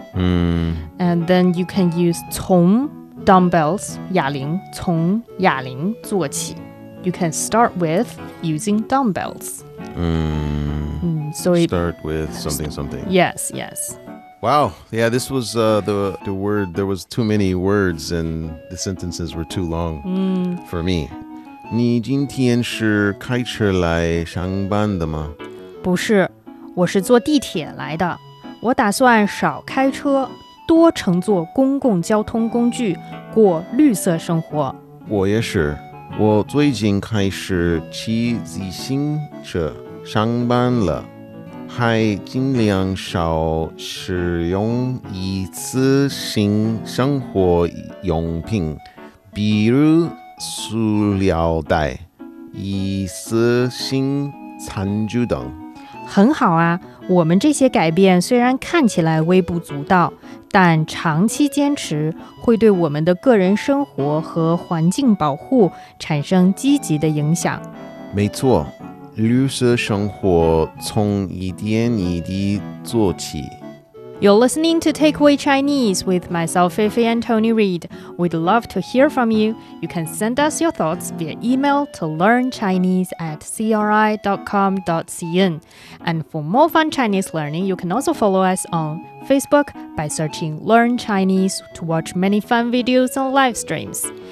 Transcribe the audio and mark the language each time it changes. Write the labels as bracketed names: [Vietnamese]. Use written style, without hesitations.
[English] And then you can use 从 dumbbells, 哑铃, [Chinese] 从哑铃做起. [English] You can start with using dumbbells. Start with something, something. Yes, yes. Wow. Yeah, this was the word. There was too many words and the sentences were too long for me. [Chinese] 你今天是开车来上班的吗? 不是,我是坐地铁来的。我打算少开车,多乘坐公共交通工具,过绿色生活。我也是,我最近开始骑自行车上班了,还尽量少使用一次性生活用品,比如塑料袋、yīcìxìng、cānjù等等。很好啊，我们这些改变虽然看起来微不足道，但长期坚持会对我们的个人生活和环境保护产生积极的影响。没错，绿色生活从一点一滴做起。 [English] You're listening to Takeaway Chinese with myself, Feifei and Tony Reid. We'd love to hear from you. You can send us your thoughts via email to learnchinese@cri.com.cn. And for more fun Chinese learning, you can also follow us on Facebook by searching Learn Chinese to watch many fun videos and live streams.